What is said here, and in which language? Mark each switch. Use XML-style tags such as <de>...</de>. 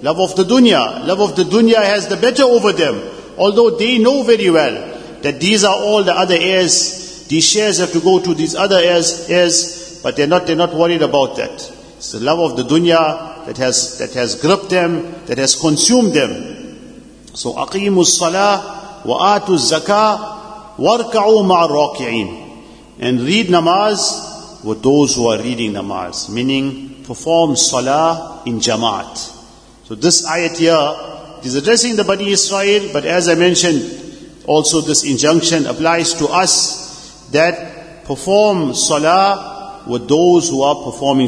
<en>Love of the dunya. Love of the dunya has the better over them. Although they know very well that these are all the other heirs. These shares have to go to these other heirs. But they're not worried about that. It's the love of the dunya that has gripped them, that has consumed them. So</en> <ar>أقيموا الصلاة وآتوا الزكاة واركعوا مع الراكعين.</ar> <en>And read namaz with those who are reading namaz, meaning perform salah in jama'at. So this ayat here is addressing the Bani Israel, but as I mentioned, also this injunction applies to us, that perform salah with those who are performing.</en>